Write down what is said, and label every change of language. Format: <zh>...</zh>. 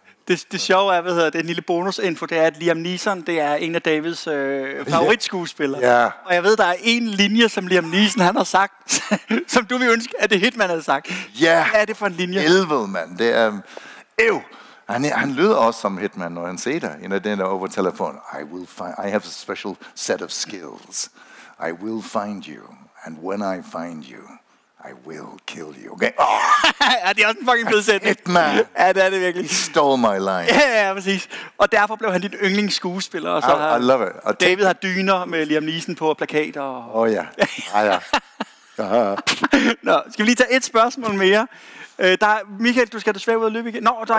<da>Det sjove er, det er en lille bonusinfo, det er, at Liam Neeson, det er en af Davids favoritskuespillere. Yeah. Og jeg ved, der er en linje, som Liam Neeson han har sagt, som du vil ønske, at det Hitman havde sagt. Ja. Yeah. Hvad er det for en linje? Elvede, mand. Det er... Han lyder også som Hitman, når han siger det. En af den der over telefon.</da> <en>I have a special set of skills. I will find you. And when I find you, I will kill you. Okay. Oh.</en> <da>Ja, det er også en fucking fed sætning. Hitman. Ja, det er det virkelig.</da> <en>He stole my line.</en> <da>Ja, præcis. Og derfor blev han din yndlingsskuespiller. Og så</da> <en>I love it.</en> <da>Og David har dyner med Liam Neeson på plakater. Oh, ja. Ah, ja. Nå, skal vi lige tage et spørgsmål mere? Michael, du skal desværre ud og løbe igen. Nå, der er</da>